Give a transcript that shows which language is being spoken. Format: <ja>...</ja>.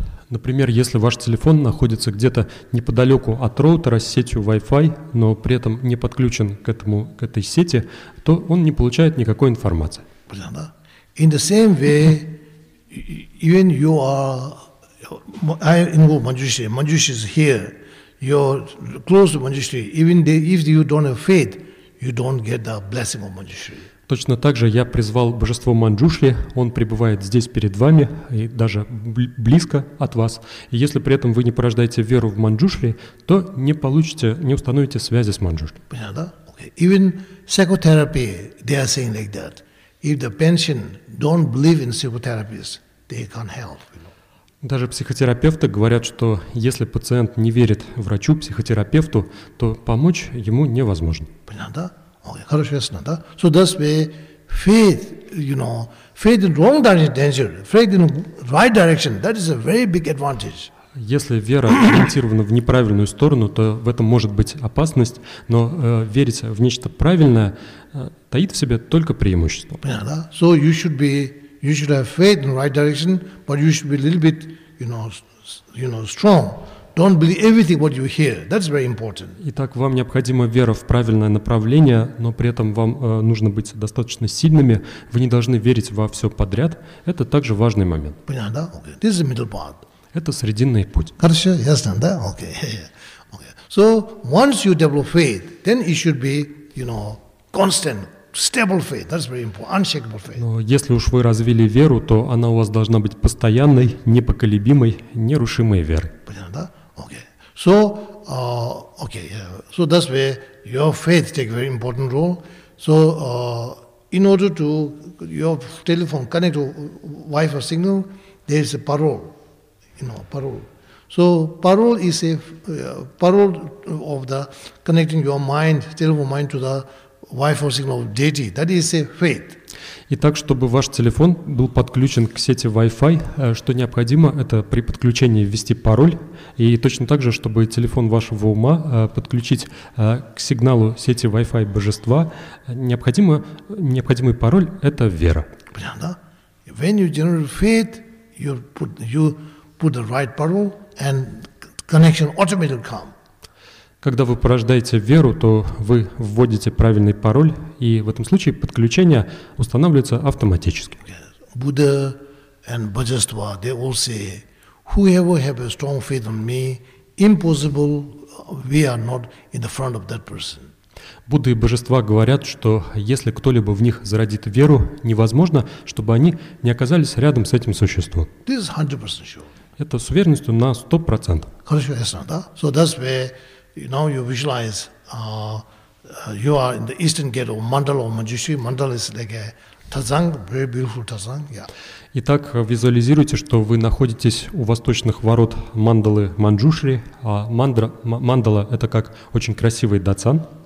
<ru>Например, если ваш телефон находится где-то неподалеку от роутера с сетью Wi-Fi, но при этом не подключен к этой сети, то он не получает никакой информации. Понятно?</ru> <en>In the same way, even you are, I involve Manjushri, Manjushri is here, you're close to Manjushri, even if you don't have faith, you don't get the blessing of Manjushri.</en> <ru>Точно так же я призвал Божество Манджушри, он пребывает здесь перед вами, и даже близко от вас. И если при этом вы не порождаете веру в Манджушри, то не получите, не установите связи с Манджушри. Понятно, да?</ru> <en>Okay. Even psychotherapy, they are saying like that. If the patient don't believe in psychotherapists, they can't help.</en> <ru>Даже психотерапевты говорят, что если пациент не верит врачу, психотерапевту, то помочь ему невозможно. Понятно, да? Okay, хорошо, ясно, да?</ru> <en>So that's where faith, you know, faith in wrong direction is danger. Faith in right direction, that is a very big advantage.</en> <ru>Если вера ориентирована в неправильную сторону, то в этом может быть опасность, но верить в нечто правильное таит в себе только преимущество. Понятно, да?</ru> <en>So you should be, you should have faith in right direction, but you should be a little bit, you know, strong. Don't believe everything what you hear. That's very important.</en> <ru>Итак, вам необходима вера в правильное направление, но при этом вам нужно быть достаточно сильными. Вы не должны верить во все подряд. Это также важный момент. Понятно, да?</ru> <en>Okay. This is the middle part.</en> <ru>Это срединный путь. Хорошо, ясно, да?</ru> <en>Okay. Okay. So once you develop faith, then it should be, you know, constant. Stable faith, that's very important, unshakable faith.</en> <ru>Но если уж вы развили веру, то она у вас должна быть постоянной, непоколебимой, нерушимой верой. Понятно, да?</ru> <en>Okay. So, okay. So that's where your faith takes very important role. So, in order to your telephone connect to Wi-Fi signal, there is a parole. You know, parole. So, parole is a parole of the connecting your mind, telephone mind to the Wi-Fi signal of deity, that is a faith.</en> <ru>Итак, чтобы ваш телефон был подключен к сети Wi-Fi, что необходимо, это при подключении ввести пароль, и точно так же, чтобы телефон вашего ума подключить к сигналу сети Wi-Fi божества, необходимый пароль – это вера. Понятно, да?</ru> <en>When you generate faith, you put the right parole, and connection automatically come.</en> <ru>Когда вы порождаете веру, то вы вводите правильный пароль, и в этом случае подключение устанавливается автоматически.</ru> <en>Будда and Bodhisattva, they all say, whoever have a strong faith on me, impossible, we are not in the front of that person.</en> <ru>Будда и Божества говорят, что если кто-либо в них зародит веру, невозможно, чтобы они не оказались рядом с этим существом. This is 100% sure. Это с уверенностью на 100%. Хорошо, ясно, да?</ru> <en>So that's where now you visualize you are in the eastern gate of mandala of Manjushri. Mandala is like a tazang, very beautiful tazang. Yeah.</en> <ru>Итак, визуализируйте, что вы находитесь у восточных ворот мандалы Манджушри, а мандала это как очень красивый дацан.</ru>